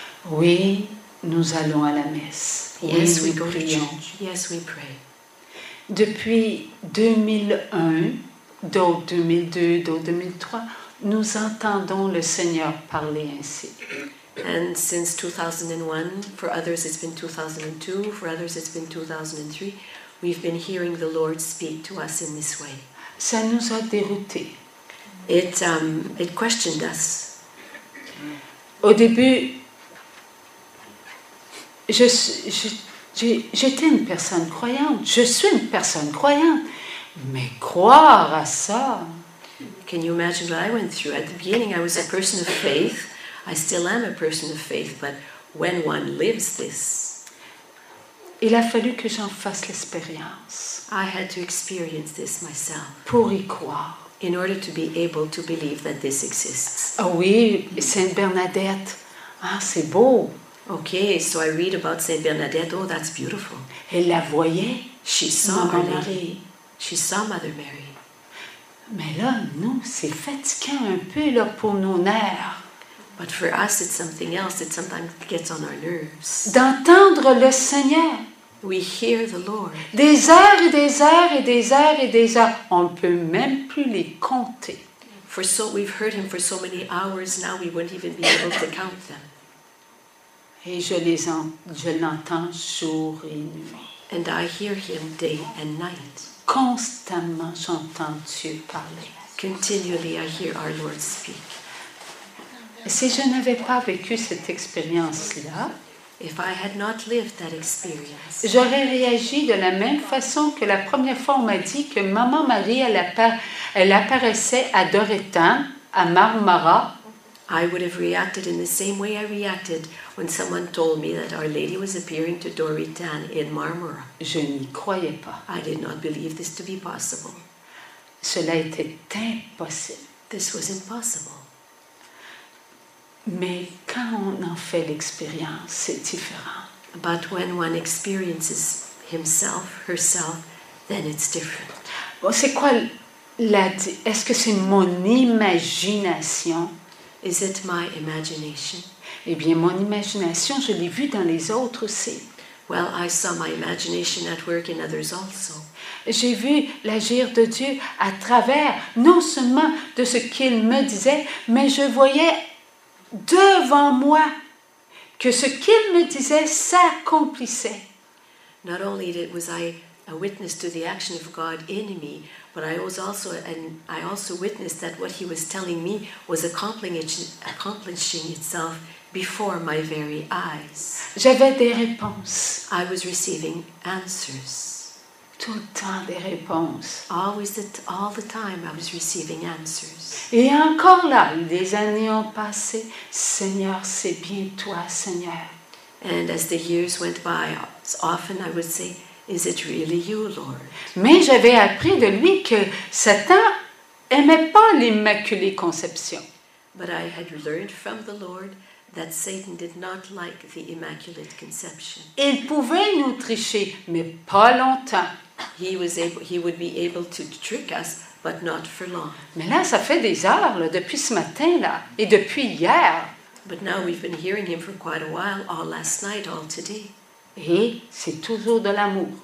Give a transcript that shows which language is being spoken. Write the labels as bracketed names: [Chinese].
[French] Oui, nous allons à la messe. [English] Yes, [French] oui, [English] we go to church. Yes, we pray. [French] Depuis 2001, d'autres 2002, d'autres 2003, nous entendons le Seigneur parler ainsi. [English] And since 2001, for others it's been 2002, for others it's been 2003, we've been hearing the Lord speak to us in this way. [French] Ça nous a dérouté. [English] It questioned us. [French] Au début, j'étais une personne croyante. Je suis une personne croyante. Mais croire à ça... [English] Can you imagine what I went through? At the beginning, I was a person of faith. I still am a person of faith, but when one lives this, [French] il a fallu que j'en fasse l'expérience. [English] I had to experience this myself. [French] Pour y croire. [English] In order to be able to believe that this exists. [French] Oh oui, Sainte Bernadette. Ah, c'est beau. [English] Okay, so I read about Sainte Bernadette. Oh, that's beautiful. [French] Elle la voyait. [English] She saw Mother Mary. She saw Mother Mary. [French] Mais là, nous, c'est fatiguant un peu là, pour nos nerfs. [English] But for us, it's something else. It sometimes gets on our nerves. [French] D'entendre le Seigneur. [English] We hear the Lord. [French] Des heures et des heures et des heures et des heures. On ne peut même plus les compter. [English] For so, we've heard him for so many hours, now we wouldn't even be able to count them. [French] Et je l'entends jour et nuit. [English] And I hear him day and night. [French] Constamment, j'entends Dieu parler. [English] Continually, I hear our Lord speak. [French] Si je n'avais pas vécu cette expérience-là, [English] if I had not lived that experience, [French] j'aurais réagi de la même façon que la première fois on m'a dit que Maman Marie, elle apparaissait à Doretin, à Marmara. [English] I would have reacted in the same way I reacted when someone told me that Our Lady was appearing to Doretin in Marmara. [French] Je n'y croyais pas. [English] I did not believe this to be possible. [French] Cela était impossible. [English] This was impossible. [French] Mais quand on en fait l'expérience, c'est différent. [English] But when one experiences himself, herself, then it's different. [French] Bon, c'est quoi Est-ce que c'est mon imagination? [English] Is it my imagination? [French] Eh bien, mon imagination, je l'ai vue dans les autres aussi. [English] Well, I saw my imagination at work in others also. [French] J'ai vu l'agir de Dieu à travers, non seulement de ce qu'il me disait, mais je voyais devant moi que ce qu'il me disait s'accomplissait. [English] Not only was I a witness to the action of God in me, but I also witnessed that what he was telling me was accomplishing itself before my very eyes. [French] J'avais des réponses. [English] I was receiving answers. [French] Tout le temps des réponses. [English] All the time I was receiving answers. [French] Et encore là, des années ont passé. Seigneur, c'est bien toi, Seigneur. [English] And as the years went by, often I would say, is it really you, Lord? [French] Mais j'avais appris de lui que Satan aimait pas l'Immaculée Conception. [English] But I had learned from the Lord that Satan did not like the Immaculate Conception. [French] Il pouvait nous tricher, mais pas longtemps. [English] He would be able to trick us, but not for long. [French] Mais là, ça fait des heures, là, depuis ce matin, là, et depuis hier. [English] But now we've been hearing him for quite a while, all last night, all today. [French] Et c'est toujours de l'amour.